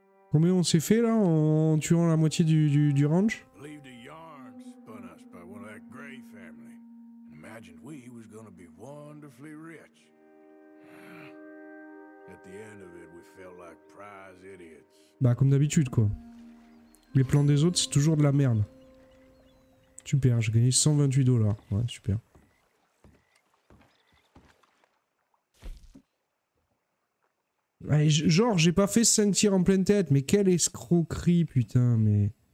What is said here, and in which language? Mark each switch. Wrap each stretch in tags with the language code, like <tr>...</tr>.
<fr>Combien on s'est fait là en tuant la moitié du ranch?</fr> <en>Leave the yarn spun us by one of that Gray family. Imagined we was gonna be wonderfully rich. At the end of it, we felt like prize idiots.</en> <fr>Bah comme d'habitude quoi. Les plans des autres, c'est toujours de la merde. Super, j'ai gagné $128. Ouais, super. Genre, j'ai pas fait 5 tirs en pleine tête, mais quelle escroquerie, putain, mais...</fr>